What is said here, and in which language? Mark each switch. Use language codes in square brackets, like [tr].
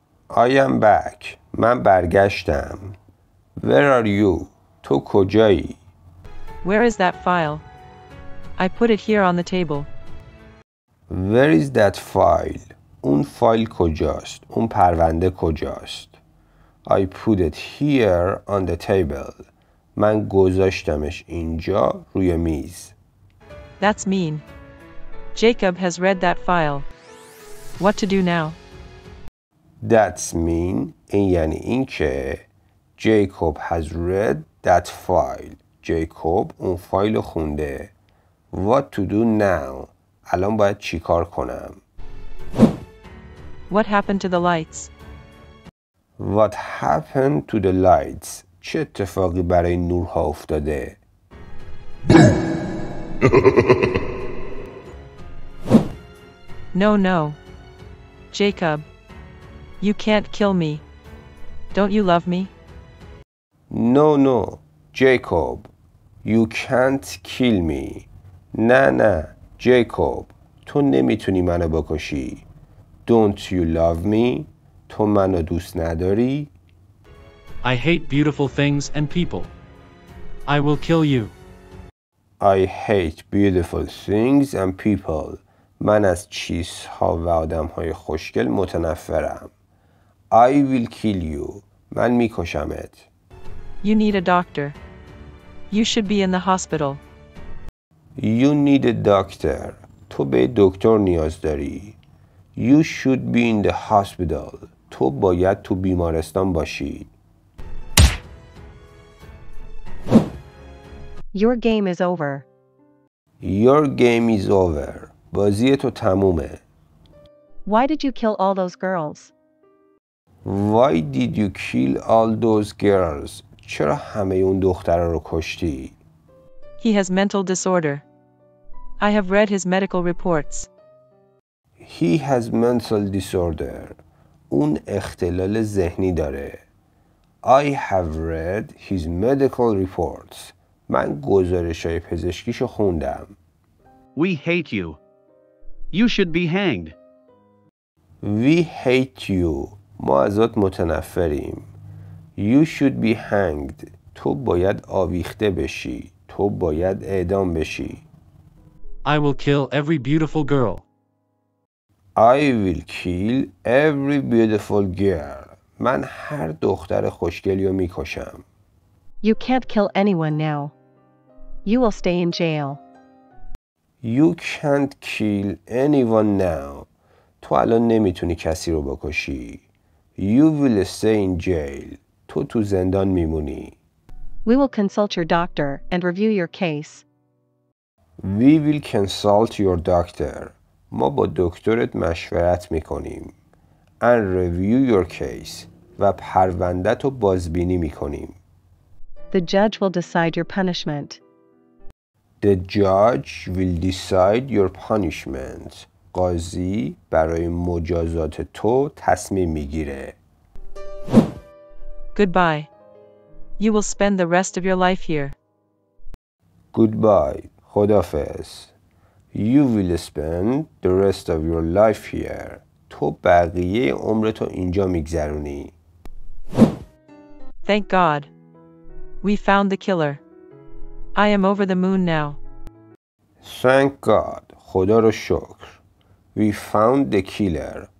[en] I am back. [fa] من برگشتم. [en] Where are you? [fa] تو کجایی؟ [en] Where is that file? I put it here on the table. Where is that file? [fa] اون فایل کجاست؟ اون پرونده کجاست؟ [en] I put it here on the table. [fa] من گذاشتمش اینجا روی میز. [en] That's mean. Jacob has read that file. What to do now? That's mean. [fa] این یعنی این که [en] Jacob has read that file. [fa] Jacob اون فایل رو خونده. [en] What to do now? [fa] الان باید چی کار کنم؟ [en] What happened to the lights? What happened to the lights? [fa] چه اتفاقی برای نورها افتاده؟ [en] No, no. Jacob, you can't kill me. Don't you love me? No, no. Jacob, you can't kill me. [fa] نه نه جیکوب تو نمیتونی منو بکشی. [en] Don't you love me؟ [fa] تو منو دوست نداری؟ [en] I hate beautiful things and people. I will kill you. I hate beautiful things and people. [fa] من از چیزها و آدمهای خوشگل متنفرم. [en] I will kill you. [fa] من میکشمت. [en] You need a doctor. You should be in the hospital. You need a doctor. [fa] تو به دکتر نیاز داری. [en] You should be in the hospital. [fa] تو باید تو بیمارستان باشی. [en] Your game is over. Your game is over. [fa] بازی تو تمومه. [en] Why did you kill all those girls? Why did you kill all those girls? [fa] چرا همه اون دخترها رو کشتی؟ [en] He has mental disorder. I have read his medical reports. He has mental disorder. [fa] اون اختلال ذهنی داره. [en] I have read his medical reports. [fa] من گزارش‌های پزشکیشو خوندم. [en] We hate you. You should be hanged. We hate you. [fa] ما ازت متنفریم. [en] You should be hanged. [fa] تو باید آویخته بشی. تو باید اعدام بشی. [en] I will kill every beautiful girl. I will kill every beautiful girl. [fa] من هر دختر خوشگلیو میکشم. [en] You can't kill anyone now. You will stay in jail. You can't kill anyone now. [fa] تو الان نمیتونی کسی رو بکشی. [en] You will stay in jail. [fa] تو زندان میمونی. [en] We will consult your doctor and review your case. We will consult your doctor. [fa] ما با دکترت مشورت میکنیم. [en] And review your case. [fa] و پروندت رو بازبینی میکنیم. [en] The judge will decide your punishment. The judge will decide your punishment. [fa] قاضی برای مجازات تو تصمیم میگیره. [en] Goodbye. You will spend the rest of your life here. Goodbye. [fa] خدافظ. [en] You will spend the rest of your life here. [fa] تو بقیه عمرتو اینجا میگذرونی. [en] Thank God. We found the killer. I am over the moon now. Thank God. [fa] خدا رو شکر. [en] We found the killer.